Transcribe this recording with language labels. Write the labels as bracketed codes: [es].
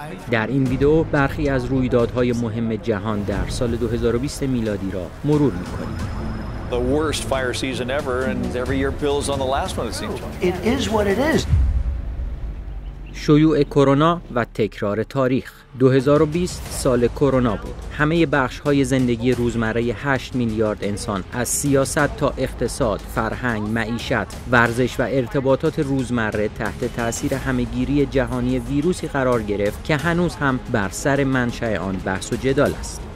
[fa] در این ویدیو برخی از رویدادهای مهم جهان در سال 2020 میلادی را مرور می‌کنیم. [en] The worst fire season ever and every year builds on the last one it seems. It is what it is. [fa] شیوع کرونا و تکرار تاریخ. 2020 سال کرونا بود. همه بخش‌های زندگی روزمره 8 میلیارد انسان از سیاست تا اقتصاد، فرهنگ، معیشت، ورزش و ارتباطات روزمره تحت تأثیر همه‌گیری جهانی ویروسی قرار گرفت که هنوز هم بر سر منشأ آن بحث و جدال است.